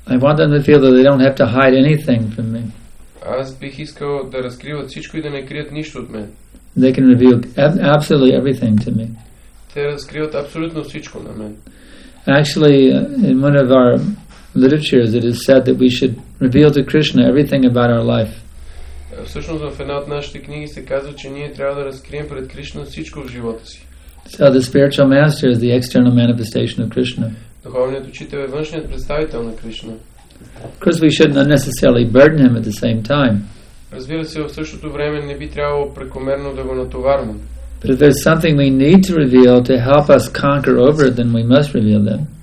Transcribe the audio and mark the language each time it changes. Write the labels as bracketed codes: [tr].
[en] I want them to feel that they don't have to hide anything from me. [bg] Аз бих искал да разкриват всичко и да не крият нищо от мен. [en] They can reveal absolutely everything to me. [bg] Те разкриват абсолютно всичко на мен. [en] Actually, in one of our literatures, it is said that we should reveal to Krishna everything about our life. [bg] Всъщност в една от нашите книги се казва, че ние трябва да разкрием пред Кришна всичко в живота си. [en] So the spiritual master is the external manifestation of Krishna. [bg] Духовният учител е външният представител на Кришна. [en] Because we shouldn't unnecessarily burden him at the same time. [bg] Разбира се, в същото време не би трябвало прекомерно да го натоварваме. [en] But if there's something we need to reveal to help us conquer over it, then we must reveal them.